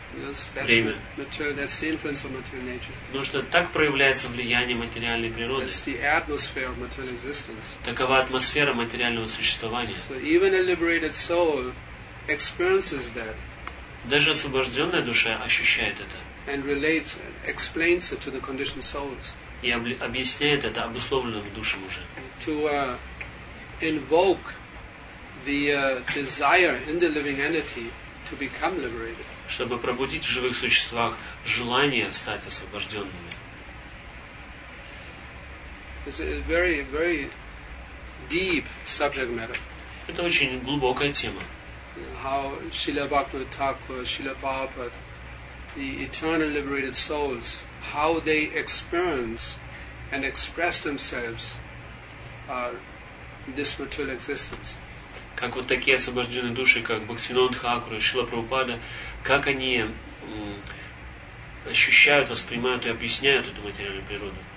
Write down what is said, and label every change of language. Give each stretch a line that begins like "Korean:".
English: Yes, that's
Russian: время.
English: That's the influence of material nature.
Russian: Потому что так проявляется влияние материальной природы.
English: That's the atmosphere of material existence.
Russian: Такова атмосфера материального существования.
English: So even a liberated soul experiences that.
Russian: Даже освобожденная душа ощущает это.
English: And relates, explains it to the conditioned souls.
Russian: И объясняет это обусловленным душам уже.
English: Invoke the desire in the living entity to become liberated.
Russian: Чтобы пробудить в живых существах желание стать освобожденными.
English: This is a very, very deep subject matter.
Russian: Это очень глубокая тема.
English: How Srila Bhaktivinoda Thakur, Srila Prabhupada, the eternal liberated souls, how they experience and express themselves. This material existence.
Russian: Как вот такие освобожденные души, как Бхактивинода Тхакур и Шрила Прабхупада, как они ощущают, воспринимают и объясняют эту материальную природу?